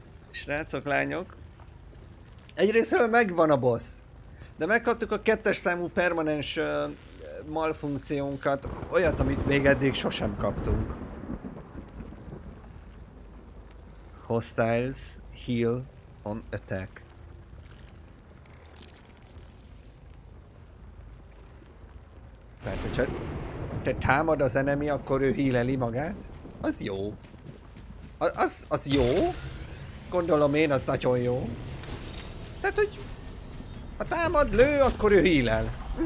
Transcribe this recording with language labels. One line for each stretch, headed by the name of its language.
Hungarian: Srácok, lányok! Egyrészt megvan a boss, de megkaptuk a kettes számú permanens malfunkciónkat, olyat, amit még eddig sosem kaptunk.
English: Hostiles heal on attack.
Hungarian: Tehát, hogyha te támad az enemy, akkor ő healeli magát? Az jó. Az jó? Gondolom én, az nagyon jó. Tehát, hogy ha támad, lő, akkor ő healel.